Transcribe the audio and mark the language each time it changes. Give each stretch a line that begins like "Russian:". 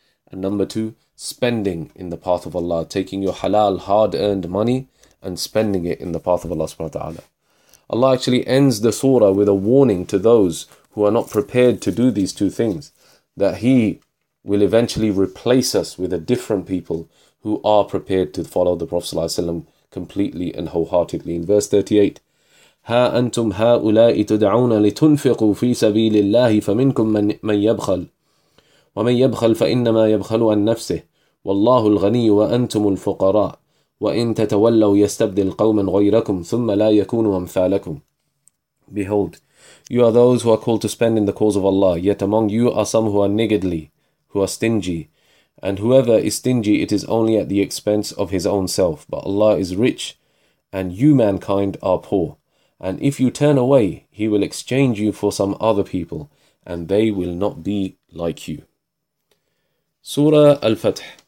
English: And number two, spending in the path of Allah, taking your halal, hard-earned money and spending it in the path of Allah subhanahu wa ta'ala. Allah actually ends the surah with a warning to those who are not prepared to do these two things, that He will eventually replace us with a different people who are prepared to follow the Prophet sallallahu alaihi wasallam completely and wholeheartedly. In verse 38,
Arabic: ها أنتم هؤلاء تدعون لتنفقوا في سبيل الله فمنكم من يبخل ومن يبخل فإنما يبخل عن نفسه والله الغني وأنتم الفقراء وإن تتولوا يستبدل قوما غيركم ثم لا يكونوا أمثالكم.
English: Behold, you are those who are called to spend in the cause of Allah, yet among you are some who are niggardly, who are stingy. And whoever is stingy, it is only at the expense of his own self. But Allah is rich, and you mankind are poor. And if you turn away, He will exchange you for some other people, and they will not be like you. Surah Al-Fath.